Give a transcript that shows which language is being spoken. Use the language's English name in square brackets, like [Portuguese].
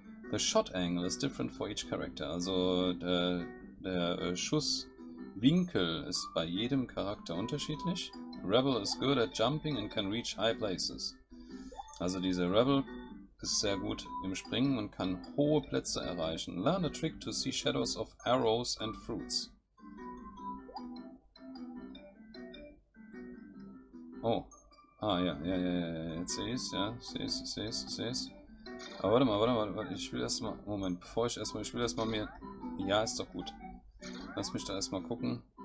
[English] The shot angle is different for each character. [German] Also der Schusswinkel ist bei jedem Charakter unterschiedlich. [English] Rebel is good at jumping and can reach high places. [German] Also dieser Rebel ist sehr gut im Springen und kann hohe Plätze erreichen. [English] Learn a trick to see shadows of arrows and fruits. [German] Oh, ah ja. Jetzt sehe ich es, ja. Sehe es, sehe es, sehe es. Aber warte mal, warte mal, warte, ich will erstmal. Moment, bevor ich erstmal. Ich will erstmal mir. Ja, ist doch gut. Lass mich da erstmal gucken.